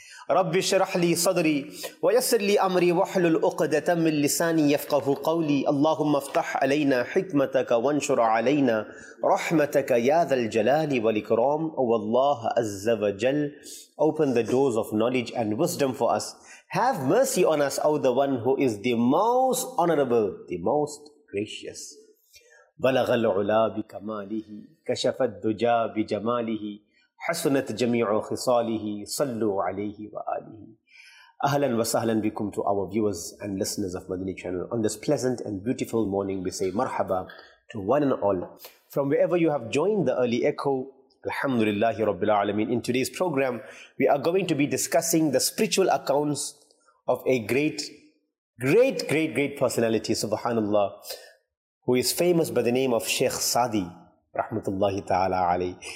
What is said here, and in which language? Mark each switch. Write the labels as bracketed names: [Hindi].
[Arabic] رب اشرح لي صدري ويسر لي أمري واحلل عقدة من لساني يفقه قولي اللهم افتح علينا حكمتك وانشر علينا رحمتك يا ذا الجلال والإكرام والله عز وجل [English] Open the doors of knowledge and wisdom for us. Have mercy on us, O the one who is the most honorable, the most gracious. [Arabic] بلغ العلا بكماله كشف الدجا بجماله حسنت جميع خصاله صلوا عليه وآله أهلا وسهلا بكم [English] to our viewers and listeners of Madani Channel. On this pleasant and beautiful morning, we say مرحبا to one and all. From wherever you have joined the early echo, [Arabic] Alhamdulillah Rabbil Alameen. [English] In today's program, we are going to be discussing the spiritual accounts of a great, great, great, great personality, subhanallah, who is famous by the name of Sheikh Sadi, rahmatullahi ta'ala alayhi.